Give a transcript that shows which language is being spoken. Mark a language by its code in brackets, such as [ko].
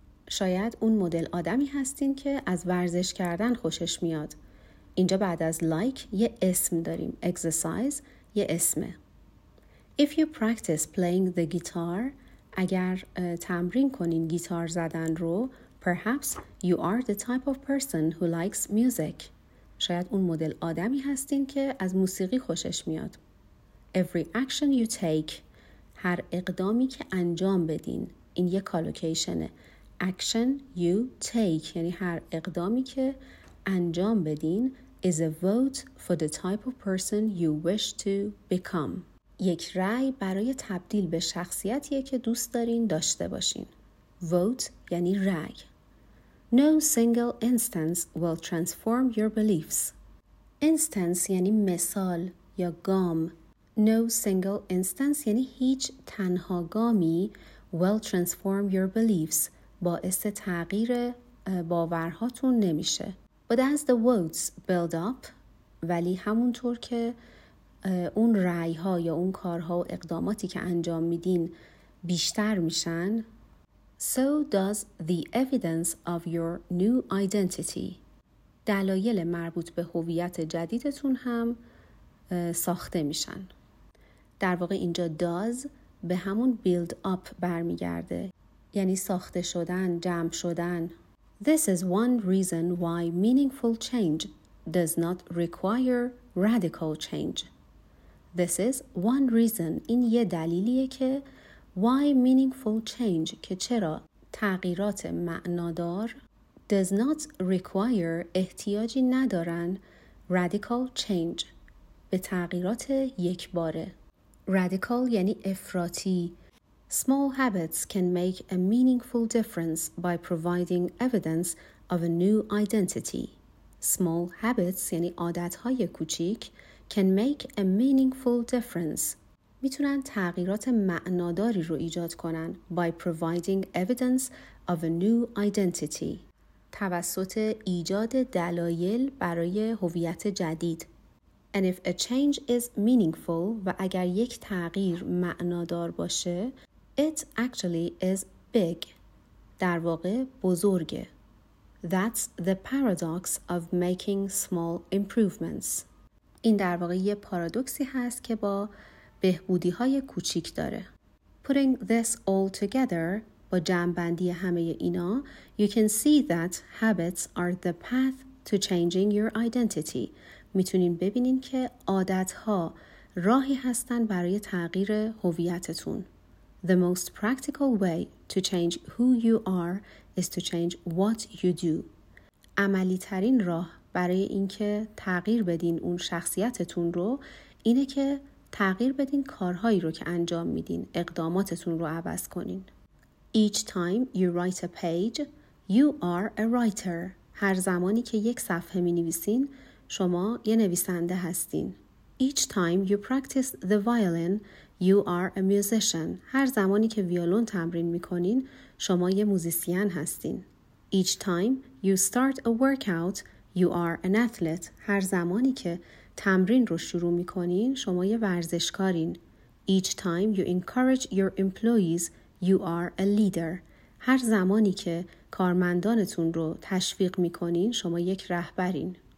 [fa] شاید اون مدل آدمی هستین که از ورزش کردن خوشش میاد. اینجا بعد از like یه اسم داریم. Exercise یه اسمه. [en] If you practice playing the guitar, [fa] اگر تمرین کنین گیتار زدن رو, [en] perhaps you are the type of person who likes music. [fa] شاید اون مدل آدمی هستین که از موسیقی خوشش میاد. [en] Every action you take, [fa] هر اقدامی که انجام بدین, این یه کالوکیشنه. [en] Action you take, [fa] یعنی هر اقدامی که انجام بدین, [en] is a vote for the type of person you wish to become. [fa] یک رأی برای تبدیل به شخصیتیه که دوست دارین داشته باشین. Vote یعنی رأی. [en] No single instance will transform your beliefs. [fa] Instance یعنی مثال یا گام. [en] No single instance [fa] یعنی هیچ تنها گامی [en] will transform your beliefs. [fa] باعث تغییر باورهاتون نمیشه. [en] But as the votes build up, [fa] ولی همونطور که اون رأی ها یا اون کارها و اقداماتی که انجام میدین بیشتر میشن, [en] so does the evidence of your new identity. [fa] دلایل مربوط به هویت جدیدتون هم ساخته میشن. در واقع اینجا does به همون build up برمیگرده. یعنی ساخته شدن, جمع شدن. [en] This is one reason why meaningful change does not require radical change. This is one reason. [fa] این یه دلیلیه که [en] why meaningful change, [fa] که چرا تغییرات معنادار [en] does not require, [fa] احتیاجی ندارن [en] radical change, [fa] به تغییرات یک باره. Radical یعنی افراطی. [en] Small habits can make a meaningful difference by providing evidence of a new identity. Small habits [fa] یعنی عادت‌های کوچیک [en] can make a meaningful difference. [fa] میتونن تغییرات معناداری رو ایجاد کنن [en] by providing evidence of a new identity. [fa] توسط ایجاد دلایل برای هویت جدید. [en] And if a change is meaningful [fa] و اگر یک تغییر معنادار باشه, [en] it actually is big. [fa] در واقع بزرگه. [en] That's the paradox of making small improvements. [fa] این در واقع یه پارادوکسی هست که با بهبودی‌های کوچیک داره. [en] Putting this all together, [fa] با جمع‌بندی همه اینا, [en] you can see that habits are the path to changing your identity. [fa] میتونین ببینین که عادت‌ها راهی هستن برای تغییر هویتتون. [en] The most practical way to change who you are is to change what you do. [fa] عملی ترین راه برای اینکه تغییر بدین اون شخصیتتون رو اینه که تغییر بدین کارهایی رو که انجام میدین، اقداماتتون رو عوض کنین. [en] Each time you write a page, you are a writer. [fa] هر زمانی که یک صفحه می‌نویسین، شما یه نویسنده هستین. [en] Each time you practice the violin, you are a musician. [fa] هر زمانی که ویولون تمرین میکنین، شما یه موزیسین هستین. [en] Each time you start a workout, you are an athlete. [fa] هر زمانی که تمرین رو شروع میکنین، شما یه ورزشکارین. [en] Each time you encourage your employees, you are a leader. [fa] هر زمانی که کارمندانتون رو تشویق میکنین، شما یک رهبرین.